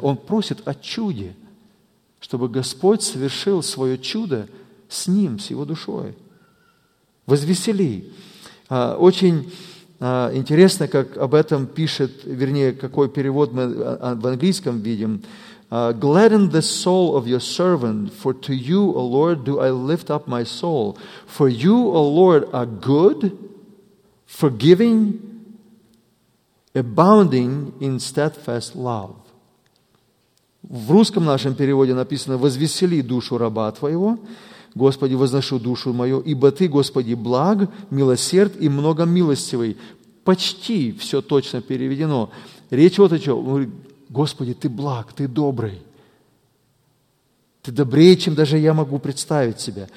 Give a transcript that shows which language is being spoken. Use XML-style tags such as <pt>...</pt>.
<ru>Он просит о чуде, чтобы Господь совершил свое чудо с ним, с его душой. Возвесели. Очень интересно, как об этом пишет, вернее, какой перевод мы в английском видим.</ru> <en>Gladden the soul of your servant, for to you, O Lord, do I lift up my soul. For you, O Lord, are good, forgiving, abounding in steadfast love.</en> <ru>В русском нашем переводе написано «Возвесели душу раба твоего, Господи, возношу душу мою, ибо ты, Господи, благ, милосерд и многомилостивый». Почти все точно переведено. Речь вот о чем. Господи, Ты благ, Ты добрый. Ты добрее, чем даже я могу представить себя.</ru>